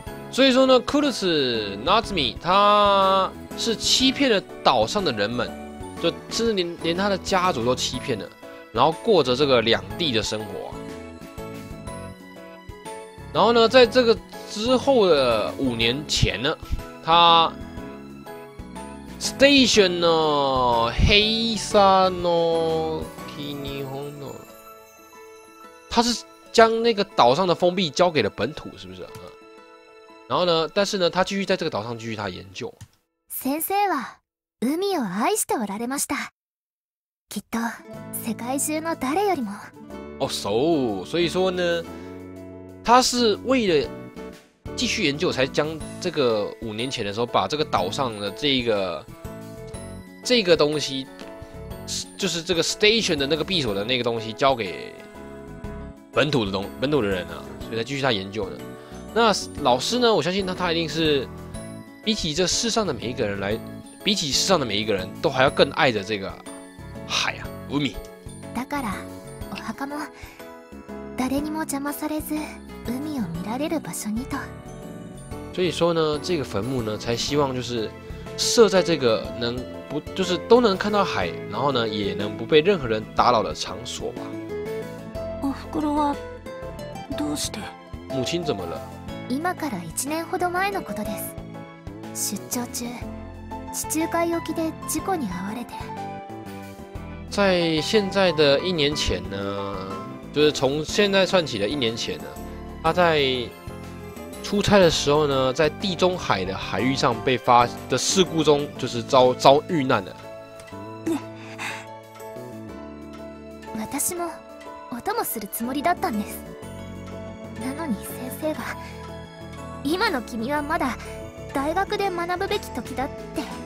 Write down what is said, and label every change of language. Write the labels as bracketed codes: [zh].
[zh] 所以说呢，库鲁斯纳兹米他是欺骗了岛上的人们，就甚至连他的家族都欺骗了，然后过着这个两地的生活。然后呢，在这个之后的五年前呢，他。 [ja] station の閉鎖の日に本の， [zh] 他是将那个岛上的封闭交给了本土，是不是？然后呢？但是呢，他继续在这个岛上继续他研究。 [ja] 先生は海を愛しておられました。きっと世界中の誰よりも。 [zh] 哦，所以说呢，他是为了继续研究才将这个五年前的时候把这个岛上的这个东西，就是这个 station 的那个避暑的那个东西交给本土的人啊，所以才继续他研究的。那老师呢，我相信他一定是比起这世上的每一个人来，比起世上的每一个人都还要更爱着这个海啊，海。 [ja] だからお墓も誰にも邪魔されず海を見られる場所にと。 [zh] 所以说呢，这个坟墓呢，才希望就是设在这个能不就是都能看到海，然后呢也能不被任何人打扰的场所吧。 [ja] おふくろはどうして？ [zh] 母亲怎么了？ [ja] 今から一年ほど前のことです。出張中、地中海沖で事故に遭われて。 [zh] 在现在的一年前呢，就是从现在算起的一年前呢，他在。出差的时候呢，在地中海的海域上被发的事故中，就是遭遇难了。 [ja] 私もお供するつもりだったんです。なのに先生が今の君はまだ大学で学ぶべき時だって。